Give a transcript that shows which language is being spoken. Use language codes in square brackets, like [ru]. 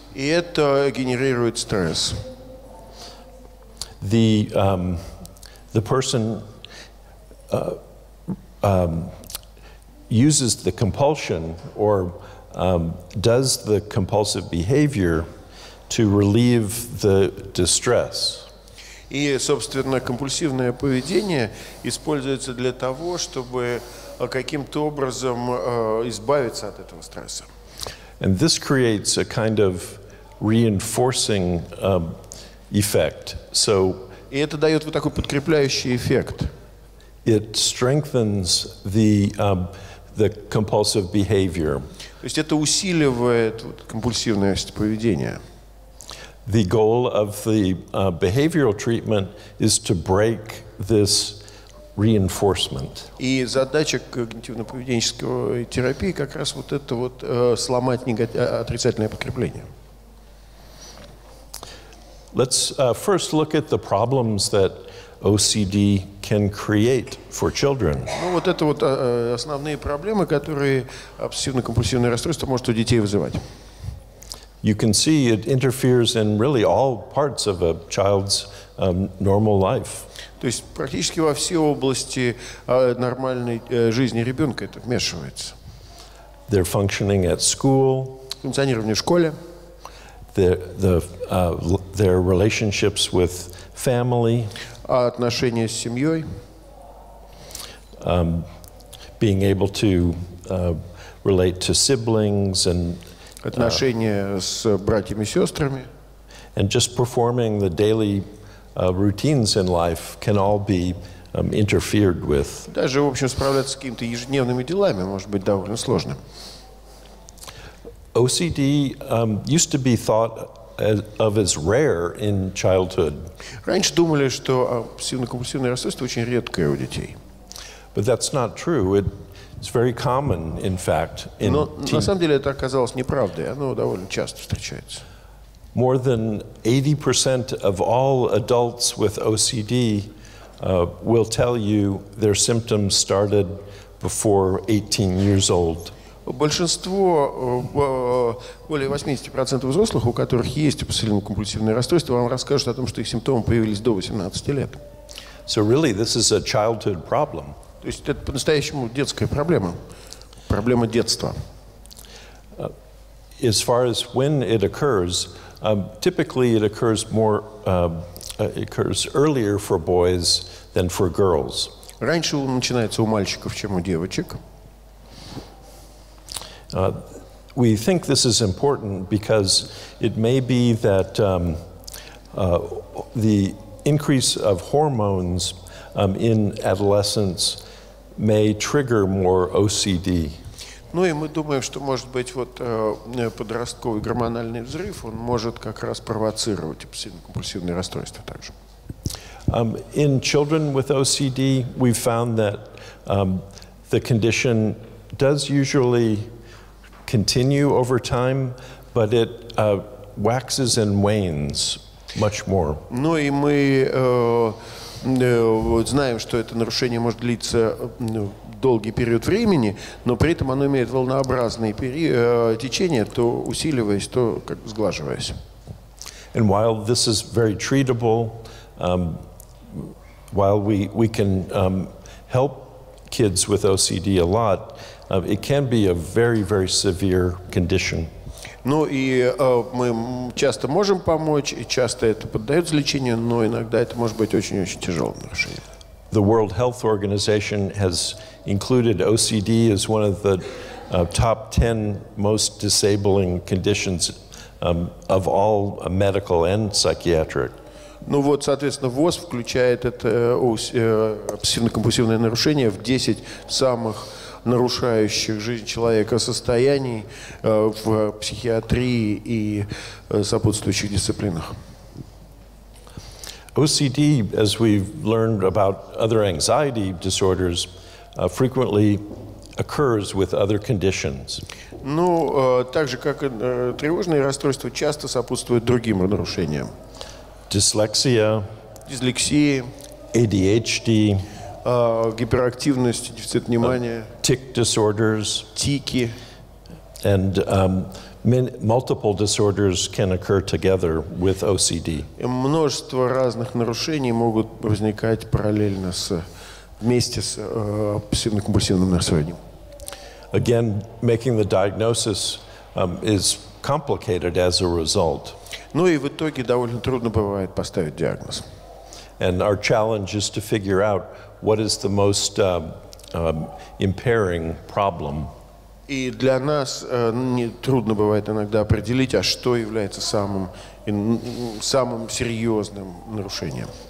[ru] И это генерирует стресс. [en] The person uses the compulsion or does the compulsive behavior to relieve the distress. [ru] И, собственно, компульсивное поведение используется для того, чтобы каким-то образом избавиться от этого стресса. [en] And this creates a kind of reinforcing effect. So, [ru] и это дает вот такой подкрепляющий эффект. [en] It strengthens the compulsive behavior. [ru] То есть это усиливает вот компульсивность поведения. [en] The goal of the behavioral treatment is to break this reinforcement. [ru] И задача когнитивно-поведенческой терапии как раз вот это вот сломать отрицательное подкрепление. [en] Let's first look at the problems that OCD can create for children. [ru] Ну вот это вот основные проблемы, которые обсессивно-компульсивное расстройство может у детей вызывать. [en] you can see it interferes in really all parts of a child's normal life. [ru] То есть практически во все области нормальной жизни ребенка это вмешивается. [en] They're functioning at school. [ru] Функционирование в школе. [en] Their relationships with family. [ru] Отношения с семьей. [en] Being able to relate to siblings and [ru] отношения с братьями и сестрами. [en] And just performing the daily routines in life can all be interfered with. [ru] Даже, в общем, справляться с какими-то ежедневными делами может быть довольно сложно. [en] OCD used to be thought of as rare in childhood. [ru] Раньше думали, что обсессивно-компульсивное расстройство очень редкое у детей. [en] But that's not true. It's very common, in fact. [ru] Но на самом деле это оказалось неправдой. Оно довольно часто встречается. [en] More than 80% of all adults with OCD will tell you their symptoms started before 18 years old. [ru] Большинство, более 80% взрослых, у которых есть обсессивно-компульсивное расстройство, вам расскажут о том, что их симптомы появились до 18 лет. [en] So really, this is a childhood problem. [ru] То есть это по-настоящему детская проблема, проблема детства. [en] As far as when it occurs, typically it occurs more, occurs earlier for boys than for girls. [ru] Раньше он начинается у мальчиков, чем у девочек. [en] We think this is important because it may be that the increase of hormones in adolescence may trigger more OCD. [ru] Ну и мы думаем, что может быть вот подростковый гормональный взрыв, он может как раз провоцировать обсессивно-компульсивные расстройства также. [en] In children with OCD, we found that the condition does usually continue over time, but it waxes and wanes much more. [ru] Ну и мы знаем, что это нарушение может длиться долгий период времени, но при этом оно имеет волнообразные течения, то усиливаясь, то как бы сглаживаясь. [en] And while this is very treatable, while we can help kids with OCD a lot, it can be a very, very severe condition. [ru] Ну и мы часто можем помочь, и часто это поддается лечению, но иногда это может быть очень-очень тяжелым нарушением. [en] The World Health Organization has included OCD as one of the top 10 most disabling conditions of all medical and psychiatric. [ru] Ну вот, соответственно, ВОЗ включает это обсессивно-компульсивное нарушение в 10 самых нарушающих жизнь человека состояний в психиатрии и сопутствующих дисциплинах. [en] OCD, as we've learned about other anxiety disorders, frequently occurs with other conditions. [ru] Ну, так же, как тревожные расстройства часто сопутствуют другим нарушениям. [en] Dyslexia. [ru] Дислексия. [en] ADHD. [ru] Гиперактивность, дефицит внимания. [en] Tic disorders. [ru] Тики. [en] And multiple disorders can occur together with OCD. [ru] Множество разных нарушений могут возникать параллельно с вместе с обсессивно-компульсивным расстройством. [en] Again, making the diagnosis is complicated as a result. [ru] Ну и в итоге довольно трудно бывает поставить диагноз. [en] And our challenge is to figure out what is the most impairing problem. [ru] И для нас не трудно бывает иногда определить, а что является самым самым серьезным нарушением.